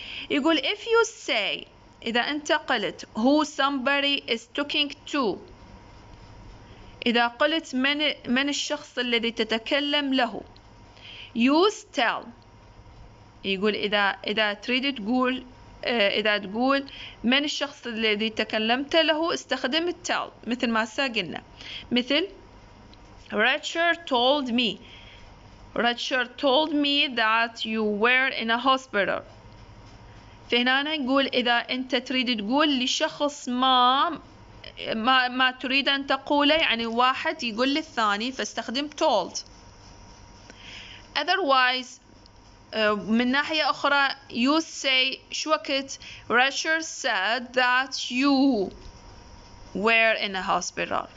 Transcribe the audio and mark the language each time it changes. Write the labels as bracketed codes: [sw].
[ar] يقول [en] if you say [ar] إذا أنت قلت [en] who somebody is talking to [ar] إذا قلت من الشخص الذي تتكلم له [en] use tell. [ar] يقول إذا تريد تقول إذا تقول من الشخص الذي تكلمت له استخدم tell مثل ما سأقلنا. مثل [en] Richard told me. Richard told me that you were in a hospital. [ar] فهنا نقول إذا أنت تريد تقول لشخص ما تريد أن تقوله يعني واحد يقول للثاني فاستخدم told. [en] Otherwise [ar] من ناحية أخرى [en] you say [ar] شو وقت [en] Richard said that you were in a hospital.